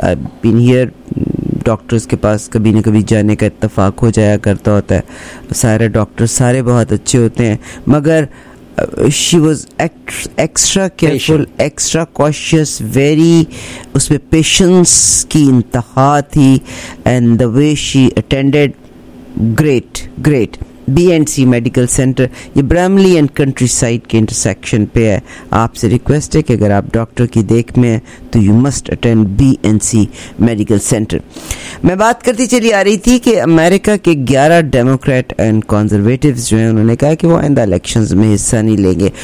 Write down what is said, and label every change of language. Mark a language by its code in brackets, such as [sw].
[en] I've been here, [hi] doctors के पास कभी ना कभी जाने का इत्तफाक हो जाया करता होता है। सारे डॉक्टर सारे बहुत अच्छे होते हैं, मगर [en] she was extra careful, extra cautious, very [hi] उसमें patience की इंतहा थी। [en] and the way she attended, great. [hi] B&C medical centre, ये ब्रैमली एंड कंट्री साइड के इंटरसेक्शन पे है। आपसे रिक्वेस्ट है कि अगर आप डॉक्टर की देख में हैं तो [en] you must attend [hi] B&C medical centre. मैं बात करती चली आ रही थी कि अमेरिका के 11 डेमोक्रेट एंड कॉन्जरवेटिव जो हैं उन्होंने कहा है कि वो आइंदा इलेक्शंस में हिस्सा नहीं लेंगे।